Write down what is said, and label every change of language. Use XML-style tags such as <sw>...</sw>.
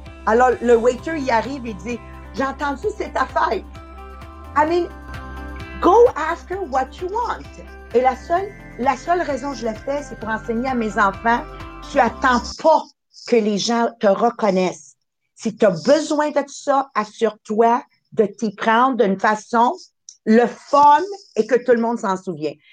<fr>Alors, le waiter, il arrive, il dit, J'ai entendu, c'est ta fête.</fr> <en>I mean, go ask her what you want.</en> <fr>Et la seule raison que je le fais, c'est pour enseigner à mes enfants, tu attends pas que les gens te reconnaissent. Si tu as besoin de ça, assure-toi de t'y prendre d'une façon le fun et que tout le monde s'en souvient.</fr>